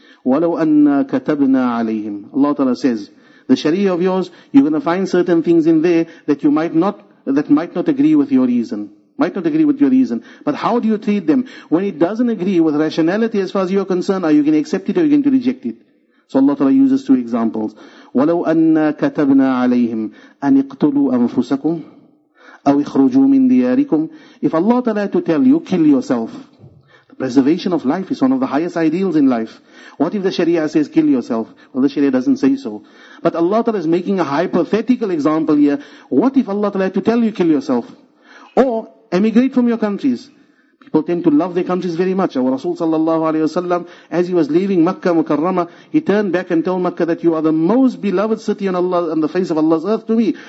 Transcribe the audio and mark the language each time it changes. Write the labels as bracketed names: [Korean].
[Arabic] وَلَوْ أَنَّا كَتَبْنَا عَلَيْهِمْ [English] Allah Ta'ala says, the Sharia of yours, you're going to find certain things in there that you might not, that might not agree with your reason. Might not agree with your reason. But how do you treat them? When it doesn't agree with rationality as far as you're concerned, are you going to accept it or are you going to reject it? So Allah Ta'ala uses two examples. [Arabic] وَلَوْ أَنَّا كَتَبْنَا عَلَيْهِمْ أَنْ اِقْتُلُوا أَنفُسَكُمْ أَوْ اِخْرُجُوا مِنْ دِيَارِكُمْ [English] If Allah Ta'ala had to tell you, kill yourself. The preservation of life is one of the highest ideals in life. What if the Sharia says, kill yourself? Well, the Sharia doesn't say so. But Allah Ta'ala is making a hypothetical example here. What if Allah Ta'ala had to tell you, kill yourself? Or emigrate from your countries. People tend to love their countries very much. Our Rasul sallallahu alayhi wa sallam, as he was leaving Makkah Mukarramah, he turned back and told Makkah that you are the most beloved city on Allah, on the face of Allah's earth to me.